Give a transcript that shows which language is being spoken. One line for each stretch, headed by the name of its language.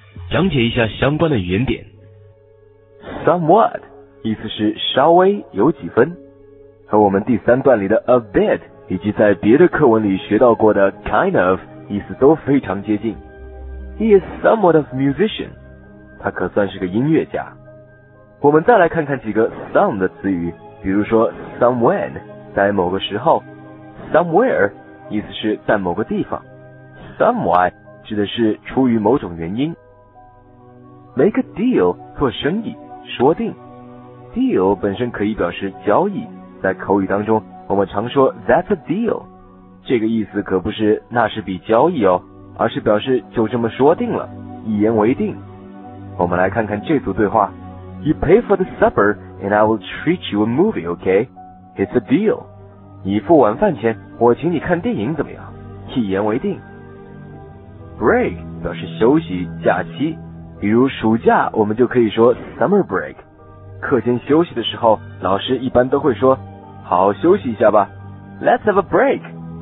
Chinese: 讲解一下相关的语言点。 Somewhat 意思是稍微有几分，和我们第三段里的 a bit 以及在别的课文里学到过的 kind of 意思都非常接近。
English: He is somewhat of a musician，他可算是个音乐家。
Chinese: 我们再来看看几个 some 的词语，比如说 some when 在某个时候， somewhere 意思是在某个地方， some why 指的是出于某种原因。 Make a deal 做生意，说定。 Deal 本身可以表示交易，在口语当中，我们常说 That's a deal。这个意思可不是那是笔交易哦，而是表示就这么说定了，一言为定。我们来看看这组对话。
English: You pay for the supper and I will treat you a movie, okay? It's a deal.
Chinese: 你付晚饭钱，我请你看电影怎么样？一言为定。 Break 表示休息、假期。比如暑假我们就可以说 summer break， 课间休息的时候老师一般都会说好好休息一下吧， let's have a break。